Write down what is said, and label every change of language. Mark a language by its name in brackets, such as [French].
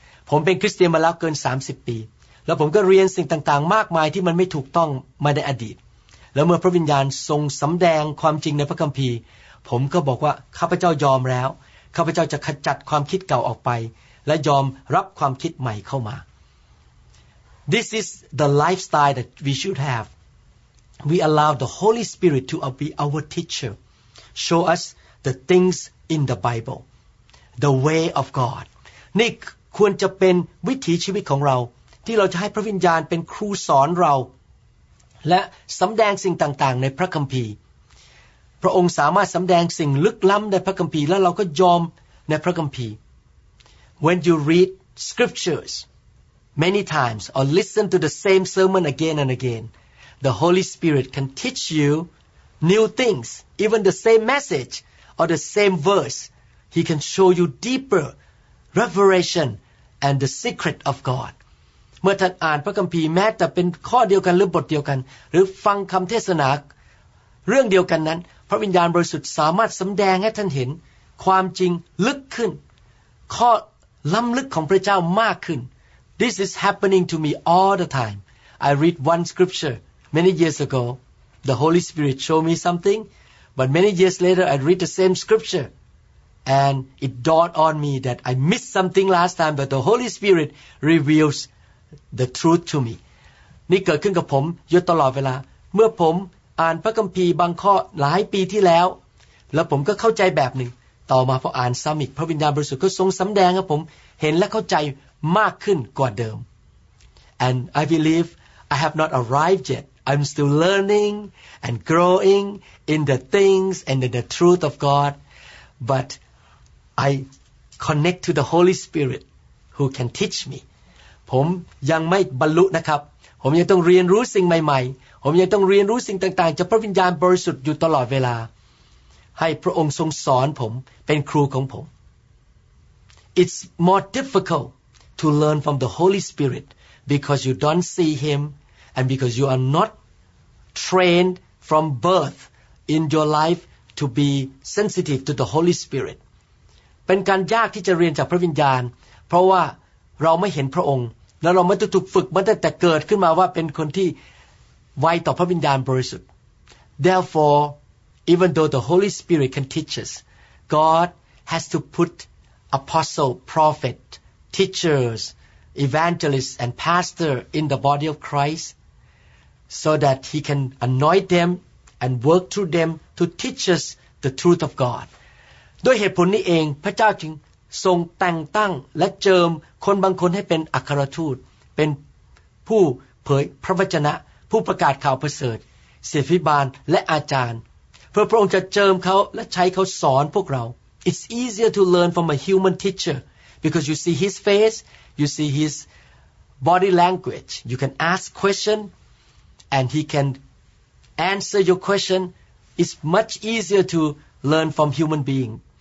[Thai] ผมเป็นคริสเตียนมาแล้วเกิน30ปีแล้วผมก็เรียนสิ่งต่างๆมากมายที่มันไม่ถูกต้องมาในอดีตแล้วเมื่อพระวิญญาณทรงสำแดงความจริงในพระคัมภีร์ผมก็บอกว่าข้าพเจ้ายอมแล้วข้าพเจ้าจะขจัดความคิดเก่าออกไปและยอมรับความคิดใหม่เข้ามา [English] This is the lifestyle that we should have. We allow the Holy Spirit to be our teacher, show us the things in the Bible, the way of God. [Thai] นี่ควรจะเป็นวิถีชีวิตของเราที่เราจะให้พระวิญญาณเป็นครูสอนเราและสำแดงสิ่งต่างๆในพระคัมภีร์พระองค์สามารถสำแดงสิ่งลึกล้ำในพระคัมภีร์แล้วเราก็ยอมในพระคัมภีร์ [English] When you read scriptures many times or listen to the same sermon again and againThe Holy Spirit can teach you new things, even the same message or the same verse. He can show you deeper revelation and the secret of God. [Thai] เมื่อท่านอ่านพระคัมภีร์แม้แต่เป็นข้อเดียวกันหรือบทเดียวกันหรือฟังคำเทศนาเรื่องเดียวกันนั้นพระวิญญาณบริสุทธิ์สามารถสำแดงให้ท่านเห็นความจริงลึกขึ้นข้อล้ำลึกของพระเจ้ามากขึ้น [English] This is happening to me all the time. I read one scripture. Many years ago, the Holy Spirit showed me something, but many years later, I read the same scripture, And it dawned on me that I missed something last time, but the Holy Spirit reveals the truth to me. [Thai] นี่เกิดขึ้นกับผมอยู่ตลอดเวลาเมื่อผมอ่านพระคัมภีร์บางข้อหลายปีที่แล้วแล้วผมก็เข้าใจแบบหนึ่งต่อมาพออ่านซ้ำอีกพระวิญญาณบริสุทธิ์ก็ทรงสำแดงกับผมเห็นและเข้าใจมากขึ้นกว่าเดิม [English] And I believe I have not arrived yet. I'm still learning and growing in the things and in the truth of God. But I connect to the Holy Spirit who can teach me. [Thai] ผมยังไม่บรรลุนะครับผมยังต้องเรียนรู้สิ่งใหม่ๆผมยังต้องเรียนรู้สิ่งต่างๆจากพระวิญญาณบริสุทธิ์อยู่ตลอดเวลาให้พระองค์ทรงสอนผมเป็นครูของผม [English] It's more difficult to learn from the Holy Spirit because you don't see him and because you are not trained from birth in your life to be sensitive to the Holy Spirit [Thai] เป็นการยากที่จะเรียนจากพระวิญญาณเพราะว่าเราไม่เห็นพระองค์แล้วเราไม่ได้ถูกฝึกมาตั้งแต่เกิดขึ้นมาว่าเป็นคนที่ไวต่อพระวิญญาณบริสุทธิ์ [English] Therefore even though the Holy Spirit can teach us God has to put apostle prophet teachers evangelists and pastor in the body of Christ so that he can anoint them and work through them to teach us the truth of God [Thai] ด้วยเหตุผลนี้เองพระเจ้าจึงทรงแต่งตั้งและเจิมคนบางคนให้เป็นอัครทูตเป็นผู้เผยพระวจนะผู้ประกาศข่าวประเสริฐศิษย์ภิบาลและอาจารย์เพื่อพระองค์จะเจิมเขาและใช้เขาสอนพวกเรา [English] It's easier to learn from a human teacher because you see his face you see his body language you can ask question and he can answer your question It's much easier to learn from human being